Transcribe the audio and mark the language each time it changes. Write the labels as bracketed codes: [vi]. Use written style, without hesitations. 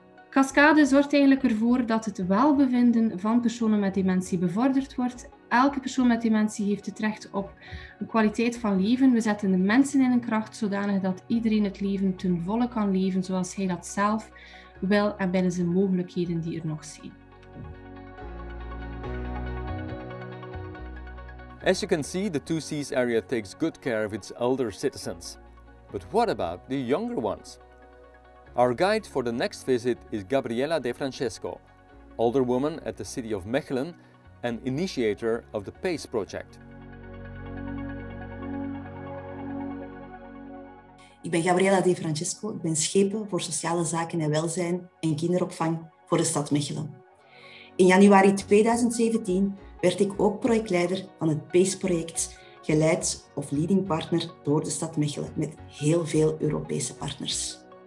[nl] Cascade zorgt eigenlijk ervoor dat het welbevinden van personen met dementie bevorderd wordt. Elke persoon met dementie heeft het recht op een kwaliteit van leven. We zetten de mensen in een kracht zodanig dat iedereen het leven ten volle kan leven zoals hij dat zelf wil en binnen zijn mogelijkheden die er nog zijn. [en] As you can see, the 2C's area takes good care of its elder citizens. But what about the younger ones? Our guide for the next visit is Gabriella De Francesco, older woman at the city of Mechelen and initiator of the PACE project. [nl] Ik ben Gabriella De Francesco. Ik ben schepen voor sociale zaken en welzijn en kinderopvang voor de stad Mechelen. In januari 2017 werd ik ook projectleider van het PACE-project, geleid of leading partner door de stad Mechelen met heel veel Europese partners.